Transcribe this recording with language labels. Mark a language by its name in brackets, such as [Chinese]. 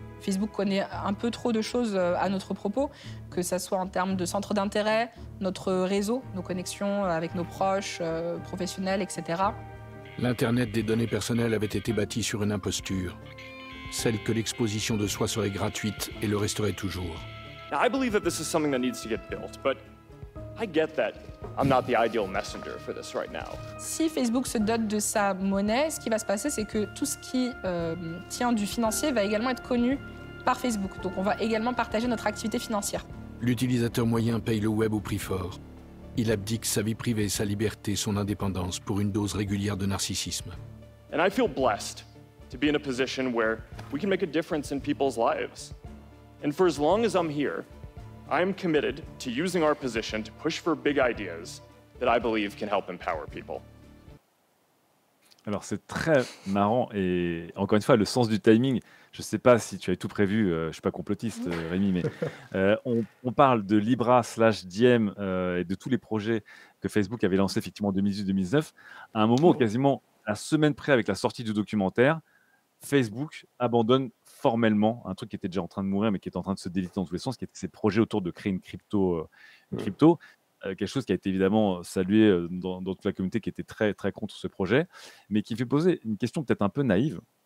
[French] Facebook connaît un peu trop de choses à notre propos, que ce soit en termes de centre d'intérêt, notre réseau, nos connexions avec nos proches, professionnels, etc. L'Internet des données personnelles avait été bâti sur une imposture, celle que l'exposition de soi serait gratuite et le resterait toujours. [English] Now, I believe that this is something that needs to get built, but I get that I'm not the ideal messenger for this right now. [French] Si Facebook se dote de sa monnaie, ce qui va se passer, c'est que tout ce qui tient du financier va également être connu par Facebook. Donc on va également partager notre activité financière. L'utilisateur moyen paye le web au prix fort. Il abdique sa vie privée, sa liberté, son indépendance pour une dose régulière de narcissisme. [English] And I feel blessed to be in a position where we can make a difference in people's lives. And for as long as I'm here, I am committed to using our position to push for big ideas that I believe can help empower people. [French] Alors, c'est très marrant et encore une fois, le sens du timing, je ne sais pas si tu avais tout prévu, je ne suis pas complotiste, Rémi, mais on parle de Libra slash Diem et de tous les projets que Facebook avait lancés effectivement en 2018-2019. À un moment, quasiment la semaine près avec la sortie du documentaire, Facebook abandonne formellement un truc qui était déjà en train de mourir mais qui est en train de se déliter dans tous les sens, qui était ses projets autour de créer une crypto, quelque chose qui a été évidemment salué dans toute la communauté qui était très très contre ce projet, mais qui fait poser une question peut-être un peu naïve.